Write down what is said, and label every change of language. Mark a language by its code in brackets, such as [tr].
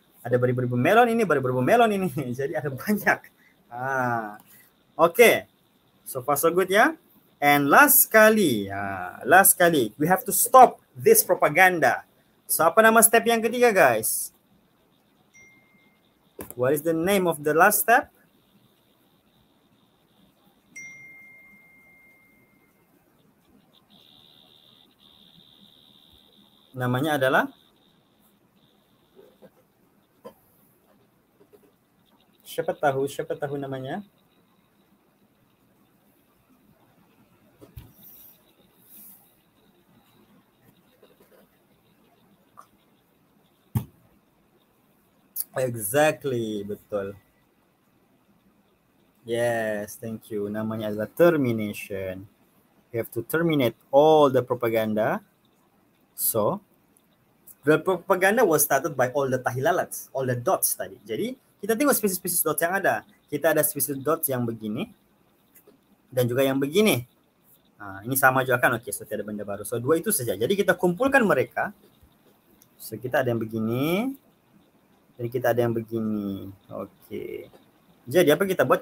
[ms] Ada beribu-ribu melon ini, beribu-ribu melon ini. Jadi ada banyak. Okay. [en] So far so good [ms] ya. [en] And last kali. Last kali. We have to stop this propaganda. [ms] So apa nama step yang ketiga guys? [en] What is the name of the last step? [ms] Namanya adalah siapa tahu namanya. [en] Exactly, betul. Yes, thank you. [ms] Namanya adalah [en] termination. You have to terminate all the propaganda. So, the propaganda was started by all the tahilalats, all the dots tadi. [ms] Jadi, kita tengok spesies-spesies dots yang ada. Kita ada spesies dots yang begini dan juga yang begini. Ini sama juga kan? Okay, so tiada benda baru. So, dua itu saja. Jadi, kita kumpulkan mereka. So, kita ada yang begini. Jadi, kita ada yang begini. Okay. Jadi, apa kita buat?